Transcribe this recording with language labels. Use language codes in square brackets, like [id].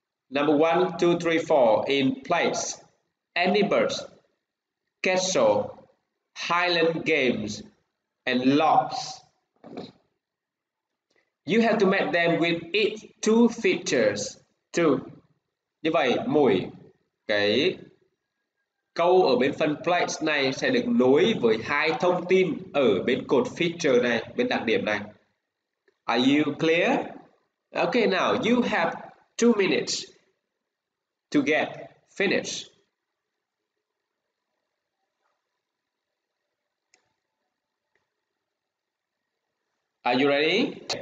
[en] Number 1, 2, 3, 4 in place. Edinburgh, Castle, Highland Games, and Locks. You have to meet them with its two features too. [vi] Như vậy, mỗi cái câu ở bên phần place này sẽ được nối với hai thông tin ở bên cột feature này, bên đặc điểm này. [en] Are you clear? Okay, now you have 2 minutes to get finished. Are you ready?